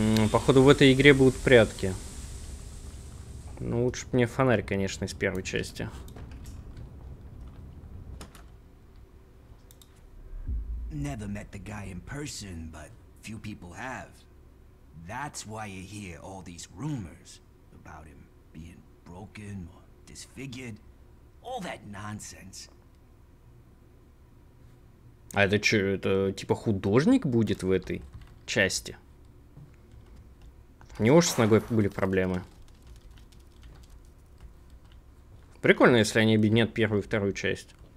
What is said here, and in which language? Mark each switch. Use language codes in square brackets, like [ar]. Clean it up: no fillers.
[ru] Походу, в этой игре будут прятки. Ну, лучше бы мне фонарь, конечно, из первой части. [en] Never met the guy in person, but few people have. That's why you hear all these rumors about him being broken or disfigured. All that nonsense. [ru] А это что, это типа художник будет в этой части? У него же с ногой были проблемы. Прикольно, если они объединят первую и вторую часть.